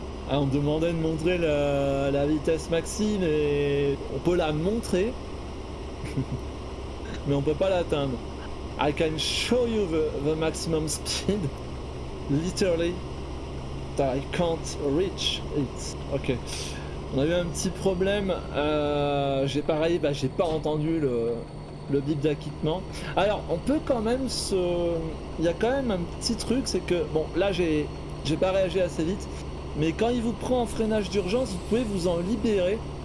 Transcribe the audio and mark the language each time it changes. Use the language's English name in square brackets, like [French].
[French] Ah, on demandait de montrer la vitesse maxi, mais on peut la montrer, mais on peut pas l'atteindre. [English] I can show you the maximum speed, literally, but I can't reach it. Okay. [French] On a eu un petit problème, j'ai pas entendu le bip d'acquittement. Alors, on peut quand même se... Il y a quand même un petit truc, c'est que... Bon, là, j'ai pas réagi assez vite. Mais quand il vous prend en freinage d'urgence, vous pouvez vous en libérer.